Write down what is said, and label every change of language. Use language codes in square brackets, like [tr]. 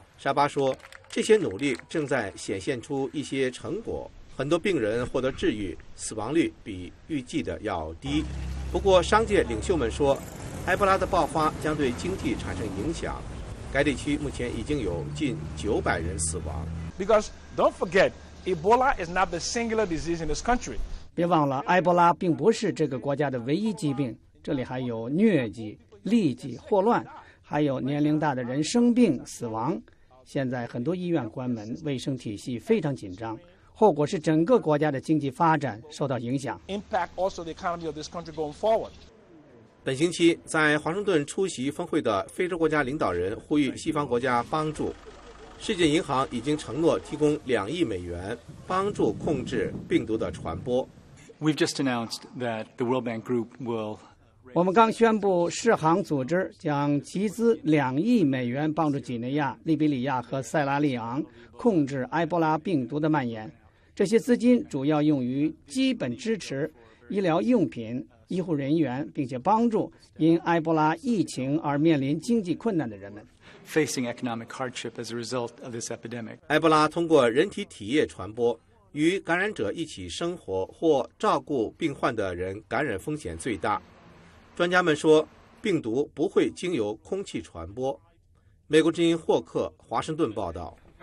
[zh] 沙巴说，这些努力正在显现出一些成果，很多病人获得治愈，死亡率比预计的要低。不过商界领袖们说，埃博拉的爆发将对经济产生影响，该地区目前已经有近900人死亡。 [en] Because don't forget, Ebola is not the singular disease in this country. [zh] 别忘了，埃博拉并不是这个国家的唯一疾病，这里还有疟疾、痢疾、霍乱，还有年龄大的人生病死亡。现在很多医院关门，卫生体系非常紧张，后果是整个国家的经济发展受到影响。 [en] Impact also the economy of this country going forward. [zh] 本星期在华盛顿出席峰会的非洲国家领导人呼吁西方国家帮助。世界银行已经承诺提供2亿美元帮助控制病毒的传播。 [en] We've just announced that the World Bank Group will. [zh] 我们刚宣布世行组织将集资2亿美元帮助几内亚、利比里亚和塞拉利昂控制埃博拉病毒的蔓延。这些资金主要用于基本支持、医疗用品、医护人员，并且帮助因埃博拉疫情而面临经济困难的人们。 [en] Facing economic hardship as a result of this epidemic. [zh] 埃博拉通过人体体液传播，与感染者一起生活或照顾病患的人感染风险最大。专家们说，病毒不会经由空气传播。美国之音霍克，华盛顿报道。